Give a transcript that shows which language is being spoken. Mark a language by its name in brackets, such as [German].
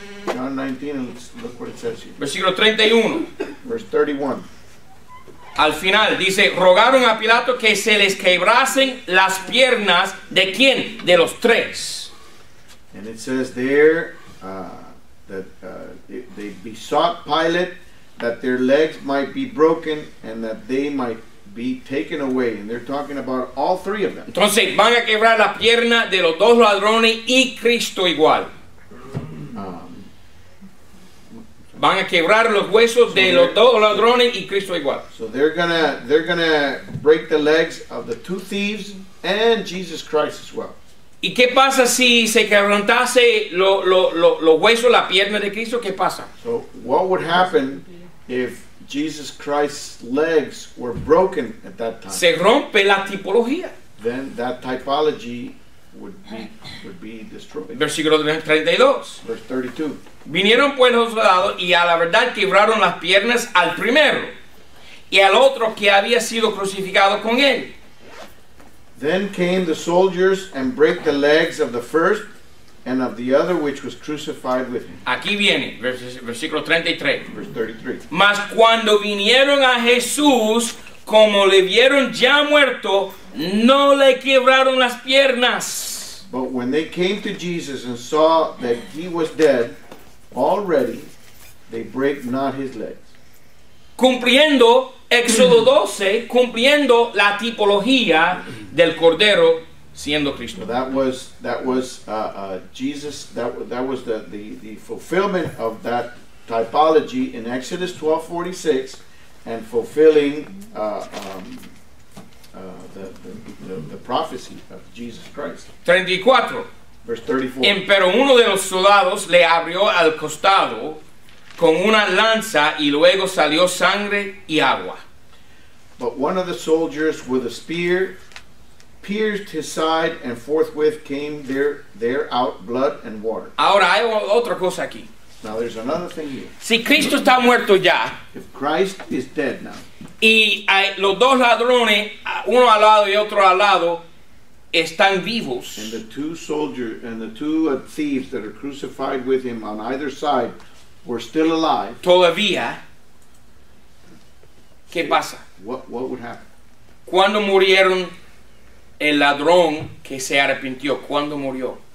[English] John 19, and let's look what it says here. [Spanish] Versículo 31. [English] Verse 31. [Spanish] Al final dice, rogaron a Pilato que se les quebrasen las piernas, ¿de quién? De los tres. [English] And it says there that they besought Pilate that their legs might be broken and that they might be taken away. And they're talking about all three of them. [Spanish] Entonces van a quebrar la pierna de los dos ladrones y Cristo igual. Van a quebrar los huesos de los dos ladrones y Cristo igual. [English] So they're gonna break the legs of the two thieves and Jesus Christ as well. [Spanish] ¿Y qué pasa si se quebrantase los huesos, la pierna de Cristo? ¿Qué pasa? [English] So what would happen if Jesus Christ's legs were broken at that time? [Spanish] Se rompe la tipología. [English] Then that typology would be destroyed. [Spanish] Versículo 32. [English] Verse 32. [Spanish] Vinieron pues los soldados y a la verdad quebraron las piernas al primero y al otro que había sido crucificado con él. [English] Then came the soldiers and broke the legs of the first and of the other which was crucified with him. [Spanish] Aquí viene, versículo 33. [English] Verse 33. [Spanish] Mas cuando vinieron a Jesús, como le vieron ya muerto, no le quebraron las piernas. [English] But when they came to Jesus and saw that he was dead, already they break not his legs. [Spanish] Cumpliendo Éxodo 12, cumpliendo la tipología del cordero siendo Cristo. [English] So that was the fulfillment of that typology in Exodus 12:46 and fulfilling the prophecy of Jesus Christ. [Spanish] 34. [English] Verse 34. [Spanish] Pero uno de los soldados le abrió al costado con una lanza y luego salió sangre y agua. [English] But one of the soldiers with a spear pierced his side and forthwith came there out blood and water. [Spanish] Ahora hay otra cosa aquí. [English] Now there's another thing here. [Spanish] Si Cristo está muerto ya. [English] If Christ is dead now. [Spanish] Y los dos ladrones, uno al lado y otro al lado, están vivos. [English] And the two thieves that are crucified with him on either side were still alive, [Spanish] todavía, ¿qué pasa? [English] What would happen? [Spanish] ¿Cuándo murieron el ladrón que se arrepintió? ¿Cuándo murió?